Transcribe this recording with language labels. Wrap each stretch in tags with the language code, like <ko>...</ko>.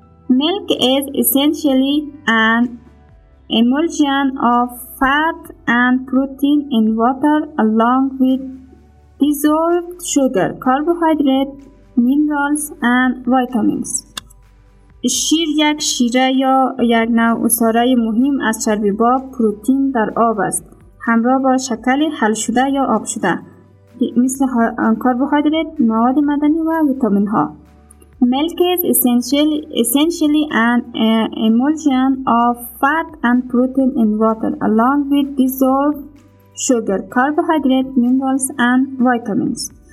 <en>Milk is essentially an emulsion of fat and protein in water along with dissolved sugar, carbohydrate, minerals and vitamins.</en> <fa>شیر یک شیره یا یک نوع عصاره مهم از چربی با پروتین در آب است همراه با شکل حل شده یا آب شده مثل کاربوهیدرات مواد معدنی و ویتامین ها.</fa> <en>Milk is essentially an emulsion of fat and protein in water along with dissolved sugar, carbohydrate, minerals and vitamins.</en>